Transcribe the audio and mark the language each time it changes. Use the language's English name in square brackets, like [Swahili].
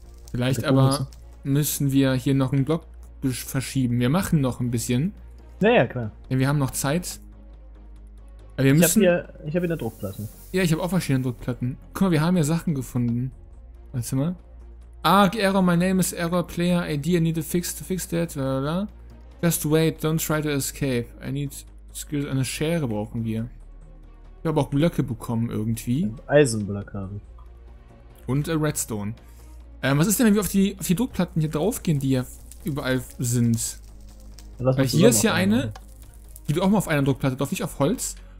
[German] Vielleicht aber müssen wir hier noch einen Block verschieben. Wir machen noch ein bisschen. Naja, klar. Denn wir haben noch Zeit. Aber wir müssen. Ich hab hier eine Druckplatte. Ja, ich habe auch verschiedene Druckplatten. Guck mal, wir haben ja Sachen gefunden. Warte mal. [English] Arg Error, my name is Error Player. ID, I need to fix that. Blablabla. Just wait, don't try to escape. I need skills. [German] Eine Schere brauchen wir. Ich habe auch Blöcke bekommen irgendwie. Eisenblock haben. Und a Redstone. Was ist denn, wenn wir auf die Druckplatten hier drauf gehen, die ja überall sind? Weil hier ist ja eine, die du auch mal auf einer Druckplatte drauf, nicht auf Holz.